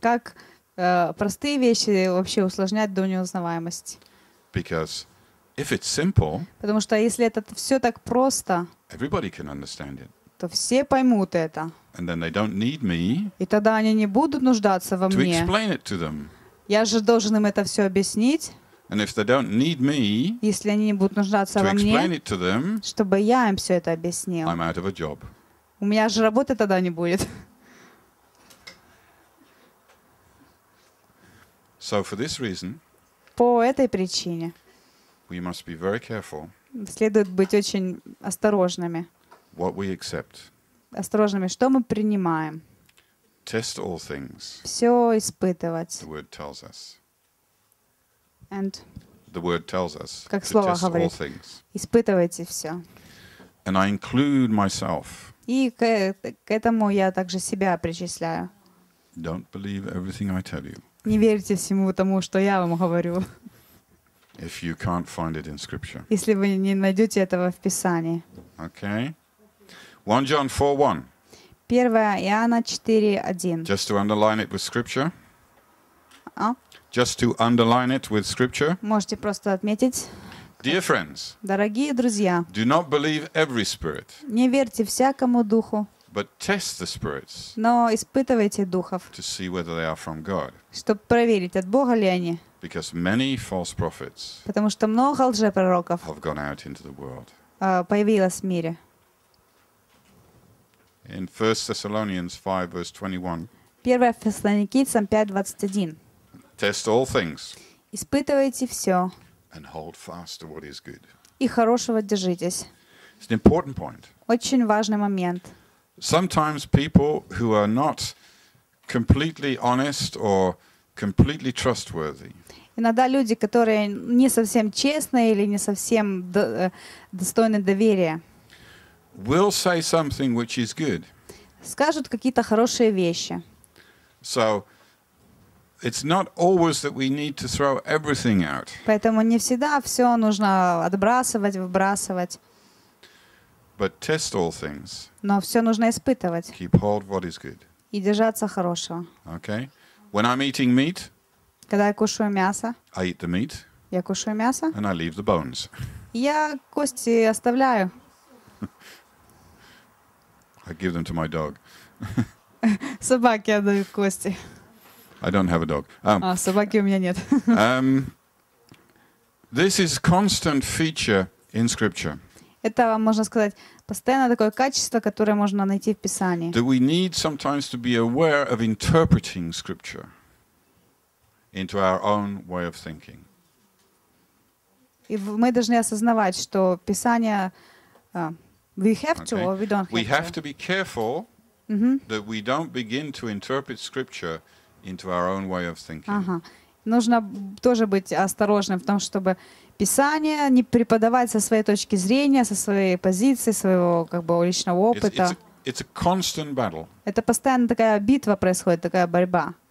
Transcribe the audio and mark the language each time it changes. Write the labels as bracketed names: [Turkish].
[Russian] Как простые вещи вообще усложнять до неузнаваемости. [English] Because if it's simple, [Russian] потому что если это все так просто, [English] everybody can understand it. [Russian] То все поймут это. [English] And then they don't need me, [Russian] и тогда они не будут нуждаться во [English] to [Russian] мне. [English] Explain it to them. [Russian] Я же должен им это все объяснить. [English] And if they don't need me, [Russian] если они не будут нуждаться во мне, [English] them, [Russian] чтобы я им все это объяснил, [English] I'm out of a job. [Russian] У меня же работы тогда не будет. [English] So for this reason, [Russian] по этой причине [English] we must be very careful, [Russian] следует быть очень осторожными. [English] What we accept. [Russian] Осторожными, что мы принимаем. [English] Test all things, [Russian] все испытывать. [English] The word tells us. And the word tells us, [Russian] как слово говорит, [English] all things. [Russian] Испытывайте все. [English] And I include myself. [Russian] И к этому я также себя причисляю. [English] Don't believe everything I tell you. [Russian] Не верьте всему тому, что я вам говорю. [English] If you can't find it in scripture. [Russian] Если вы не найдете этого в Писании. [English] Okay. 1 John 4:1. [Russian] 1 Иоанна 4:1. [English] Just to underline it with scripture. [Russian] А? [English] Just to underline it with scripture. [Russian] Можете просто отметить. [English] Dear friends. [Russian] Дорогие друзья. [English] Do not believe every spirit. [Russian] Не верьте всякому духу. [English] But test the spirits. [Russian] Но испытывайте духов. [English] To see whether they are from God. [Russian] Чтобы проверить, от Бога ли они. [English] Because many false prophets. [Russian] Потому что много лжепророков. [English] Have gone out into the world. [Russian] Появилось в мире. [English] In 1 Thessalonians 5 verse 21. [Russian] 1 Фессалоникийцам 5:21. [English] Test all things. [Russian] Испытывайте все. [English] And hold fast to what is good. [Russian] И хорошего держитесь. [English] It's an important point. [Russian] Очень важный момент. [English] Sometimes people who are not completely honest or completely trustworthy. [Russian] Иногда люди, которые не совсем честны или не совсем достойны доверия. [English] Will say something which is good. [Russian] Скажут какие-то хорошие вещи. [English] So it's not always that we need to throw everything out. [Russian] Поэтому не всегда все нужно отбрасывать, выбрасывать. [English] But test all things. [Russian] Но все нужно испытывать. [English] Keep hold what is good. [Russian] И держаться хорошего. [English] Okay. When I'm eating meat. [Russian] Когда я кушаю мясо. [English] I eat the meat. [Russian] Я кушаю мясо. [English] And I leave the bones. [Russian] Я кости оставляю. [English] I give them to my dog. [Russian] Собаке отдаю кости. [English] I don't have a dog. [Russian] Собаки у меня нет. [English] This is constant feature in Scripture. [Russian] Это, можно сказать, постоянно такое качество, которое можно найти в Писании. [English] That we need sometimes to be aware of interpreting Scripture into our own way of thinking. [Russian] И мы должны осознавать, что Писание [English] we have to or we don't have to. We have to be careful that we don't begin to interpret Scripture into our own way of thinking. [Russian] Нужно тоже быть осторожным в том, чтобы Писание не преподавать со своей точки зрения, со своей позиции, своего как бы личного опыта. [English] It's a constant battle. [Russian] Это постоянно такая битва происходит, такая борьба.